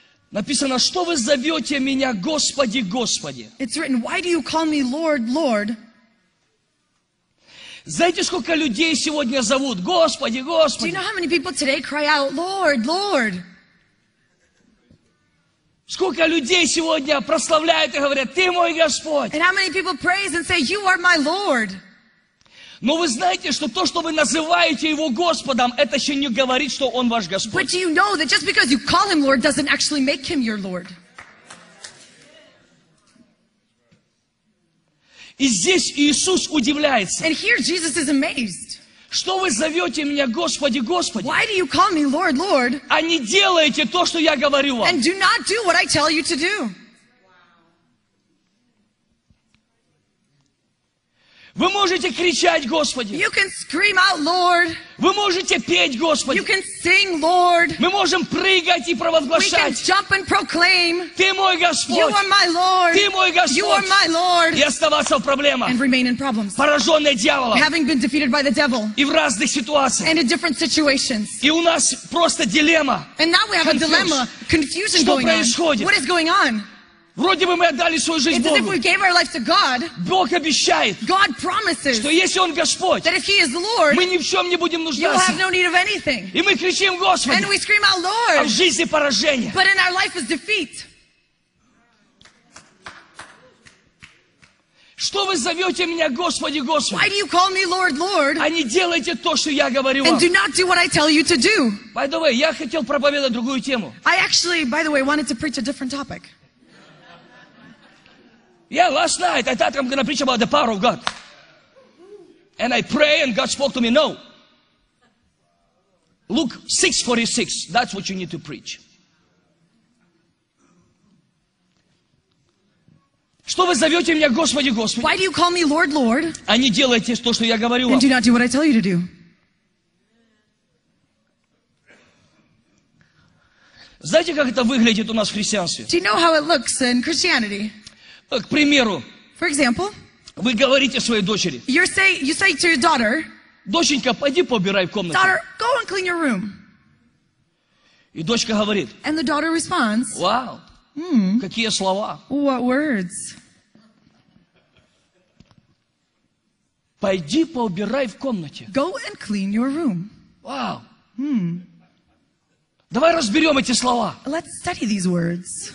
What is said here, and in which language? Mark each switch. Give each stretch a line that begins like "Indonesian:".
Russian: Написано, что вы зовете меня Господи, Господи?
English: It's written, why do you call me Lord, Lord?
Russian: Знаете, сколько людей сегодня зовут? Господи, Господи.
English: Do you know how many people today cry out, Lord, Lord?
Russian: Сколько людей сегодня прославляют и говорят, Ты мой Господь.
English: And how many people praise and say, you are my Lord.
Russian: Но вы знаете, что то, что вы называете Его Господом, это еще не говорит, что Он ваш Господь.
English: But do you know that just because you call Him Lord doesn't actually make Him your Lord?
Russian: И здесь Иисус удивляется.
English: And here Jesus is amazed.
Russian: Что вы зовете меня Господи, Господи?
English: Why do you call me Lord, Lord?
Russian: А не делаете то, что я говорю вам.
English: And do not do what I tell you to do.
Russian: Вы можете кричать, Господи.
English: You can scream out, Lord.
Russian: Вы можете петь, Господи.
English: You can sing, Lord.
Russian: Мы можем прыгать и провозглашать.
English: We can jump and proclaim.
Russian: Ты мой Господь.
English: You are my Lord.
Russian: Ты мой Господь.
English: You are my Lord.
Russian: И оставаться в проблемах.
English: And remain in problems.
Russian: Пораженный дьяволом.
English: Having been defeated by the devil.
Russian: И в разных ситуациях.
English: And in different situations.
Russian: И у нас просто дилемма.
English: And now we have a dilemma, confusion going on.
Russian: Что происходит?
English: What is going on?
Russian: Вроде бы мы отдали свою жизнь Богу.
English: It's as if we gave our life to God.
Russian: Бог обещает.
English: God promises.
Russian: Что если Он Господь.
English: That if He is Lord.
Russian: Мы ни в чем не будем нуждаться.
English: You'll have no need of anything.
Russian: И мы кричим Господи.
English: And we scream out Lord.
Russian: А в жизни поражение.
English: But in our life is defeat.
Russian: Что вы зовете меня Господи, Господи?
English: Why do you call me Lord, Lord?
Russian: А не делайте то, что я говорю вам.
English: And do not do what I tell you to do. By the way,
Russian: я хотел проповедовать другую тему.
English: I actually, by the way, wanted to preach a different topic. Yeah, last night I thought I'm going to preach about the power of God. And I pray and God spoke to me, no. Luke 6:46, that's what you need to preach.
Russian: Что вы зовете меня Господи, Господи?
English: Why do you call me Lord, Lord?
Russian: А не делайте то, что я говорю вам.
English: And do not do what I tell you to do.
Russian: Знаете, как это выглядит у нас в христианстве?
English: Do you know how it looks in Christianity?
Russian: К примеру,
English: for example,
Russian: вы говорите своей дочери,
English: you say to your daughter,
Russian: доченька, пойди поубирай комнату.
English: Daughter, go and clean your room.
Russian: И дочка говорит,
English: and the daughter responds,
Russian: wow, какие слова.
English: What words?
Russian: Пойди поубирай в комнате.
English: Go and clean your room. Wow.
Russian: Давай разберем эти слова.
English: Let's study these words.